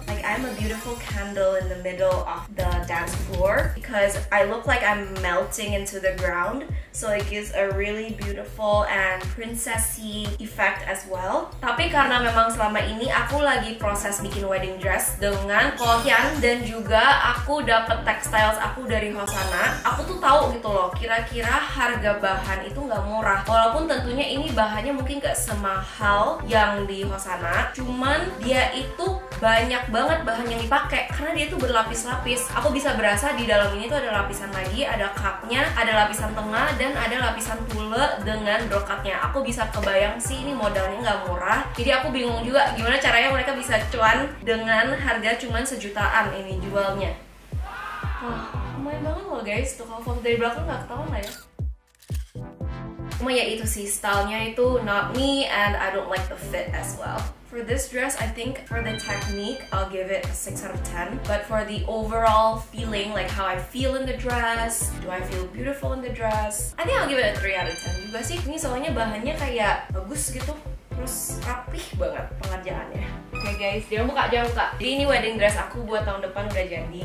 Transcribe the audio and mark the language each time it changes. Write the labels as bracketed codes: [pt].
[en] Like I'm a beautiful candle in the middle of the dance floor because I look like I'm melting into the ground, so it gives a really beautiful and princessy effect as well. [id] Tapi karena memang selama ini aku lagi proses bikin wedding dress dengan Kohyan dan juga aku dapet textiles aku dari Hosana, aku tuh tahu gitu loh kira-kira harga bahan itu nggak murah. Walaupun tentunya ini bahannya mungkin gak semahal yang di Hosana, cuman dia itu banyak banget bahan yang dipakai karena dia tuh berlapis-lapis. Aku bisa berasa di dalam ini tuh ada lapisan lagi, ada cupnya, ada lapisan tengah, dan ada lapisan tulle dengan brokatnya. Aku bisa kebayang sih ini modalnya nggak murah. Jadi aku bingung juga gimana caranya mereka bisa cuan dengan harga cuman sejutaan ini jualnya. Wah, lumayan banget loh guys. Tuh kalau foto dari belakang nggak ketahuan lah ya. Cuma ya itu sih, stylenya itu [en] not me and I don't like the fit as well. For this dress, I think for the technique, I'll give it a 6 out of 10. But for the overall feeling, like how I feel in the dress, do I feel beautiful in the dress? I think I'll give it a 3 out of 10 [id] juga sih. Ini soalnya bahannya kayak bagus gitu, terus rapih banget pengerjaannya. Oke guys, jangan buka. Jadi ini wedding dress aku buat tahun depan udah jadi.